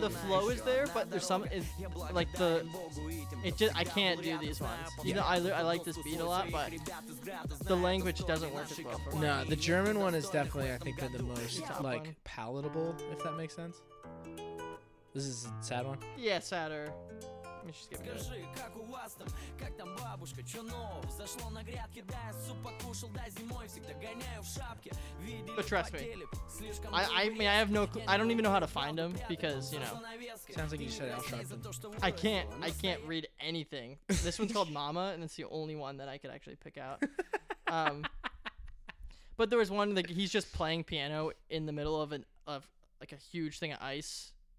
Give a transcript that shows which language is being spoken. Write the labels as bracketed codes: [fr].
[en] The flow is there, but there's some, it's like the, it just, I can't do these ones. You know, I like this beat a lot, but the language doesn't work as well for me. No, the German one is definitely, I think, the most, like, palatable, if that makes sense. This is a sad one? Yeah, sadder. [ru] Скажи, как у вас там, как там бабушка, чё нового? Зашло на грядки, да я суп покушал, да зимой всегда гоняю в шапке. [en] But trust me, I have no clue. I don't even know how to find him because, you know. Sounds like you said I'll sharpen. I can't read anything. This one's called Mama, and it's the only one that I could actually pick out. But there was one that he's just playing piano in the middle of like a huge thing of ice.